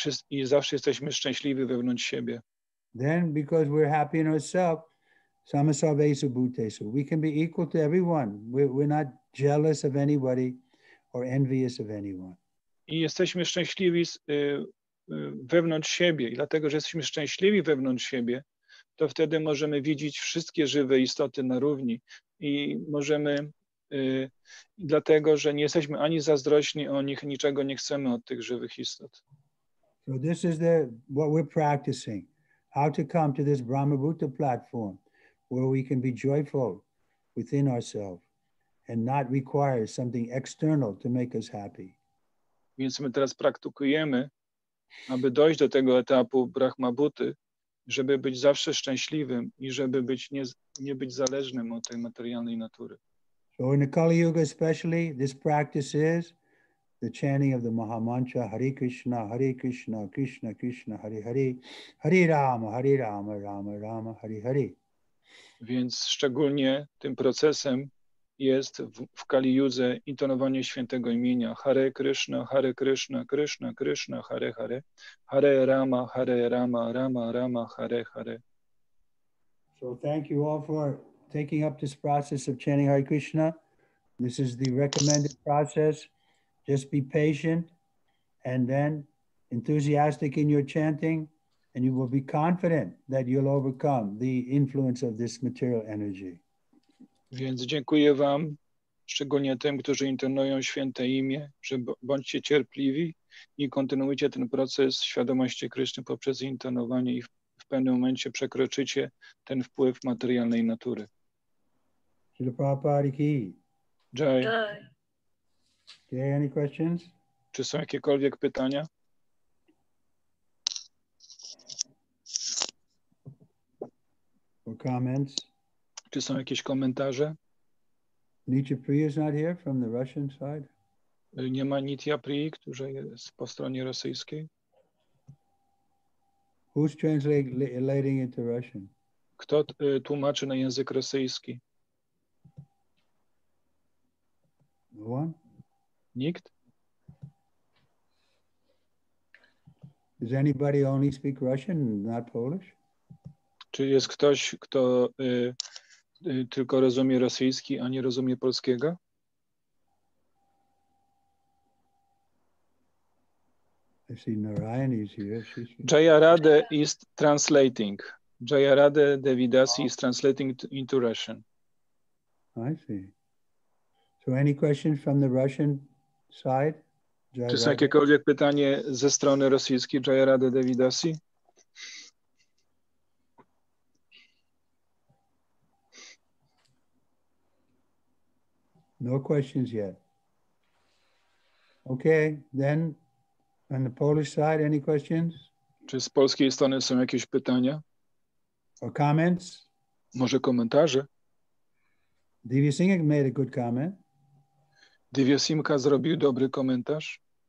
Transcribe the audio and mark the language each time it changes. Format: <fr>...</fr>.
<pl>I zawsze jesteśmy szczęśliwi wewnątrz siebie.</pl> <en>Then, because we're happy in ourselves,</en> <sa>samasarvesu bhutesu,</sa> <en>we can be equal to everyone. We're not jealous of anybody or envious of anyone.</en> <pl>I jesteśmy szczęśliwi wewnątrz siebie. I dlatego, że jesteśmy szczęśliwi wewnątrz siebie, to wtedy możemy widzieć wszystkie żywe istoty na równi. I możemy, dlatego, że nie jesteśmy ani zazdrośni o nich, niczego nie chcemy od tych żywych istot.</pl> <en>So this is what we're practicing. How to come to this Brahma Buddha platform where we can be joyful within ourselves and not require something external to make us happy.</en> <pl>Więc my teraz praktykujemy, aby dojść do tego etapu Brahma Buddhy, żeby być zawsze szczęśliwym i żeby być nie być zależnym od tej materialnej natury.</pl> <en>So in the Kali Yuga especially, this practice is the chanting of the Maha Mantra, Hare Krishna, Krishna Krishna, Hare Hare, Hare Rama, Rama Rama, Hare Hare.</en> <pl>Więc szczególnie tym procesem jest w Kali Yudze intonowanie świętego imienia Hare Krishna, Hare Krishna, Krishna Krishna, Hare Hare, Hare Rama, Hare Rama, Rama Rama, Hare Hare.</pl> <en>So thank you all for taking up this process of chanting Hare Krishna. This is the recommended process. Just be patient and then enthusiastic in your chanting and you will be confident that you'll overcome the influence of this material energy.</en> <pl>Więc dziękuję wam, szczególnie tym, którzy intonują święte imię, że bądźcie cierpliwi i kontynuujcie ten proces świadomości Kryszny poprzez intonowanie i w pewnym momencie przekroczycie ten wpływ materialnej natury.</pl> <sa>Śrila Prabhupada ki. Jai.</sa> <en>Okay, any questions?</en> <pl>Czy są jakiekolwiek pytania?</pl> <en>Or comments?</en> <pl>Czy są jakieś komentarze?</pl> <en>Nitya Priya is not here from the Russian side.</en> <pl>Nie ma Nitya Priya, która jest po stronie rosyjskiej.</pl> <en>Who's translating into Russian?</en> <pl>Kto tłumaczy na język rosyjski?</pl> <en>No one?</en> <pl>Nikt?</pl> <en>Does anybody only speak Russian, not Polish?</en> <pl>Czy jest ktoś, kto tylko rozumie rosyjski, a nie rozumie polskiego?</pl> <en>I see Narayan is here. Jayarade is translating. Jayarade Devidasi is translating into Russian. I see. So any question from the Russian side?</en> <pl>Czy są jakiekolwiek pytanie ze strony rosyjskiej Jayarade Devidasi?</pl> <en>No questions yet. Okay, then on the Polish side, any questions?</en> <pl>Czy z polskiej strony są jakieś pytania?</pl> <en>Or comments?</en> <pl>Może komentarze?</pl> <en>Divya Singh made a good comment.</en> <pl>Divya Simka zrobił dobry komentarz.</pl>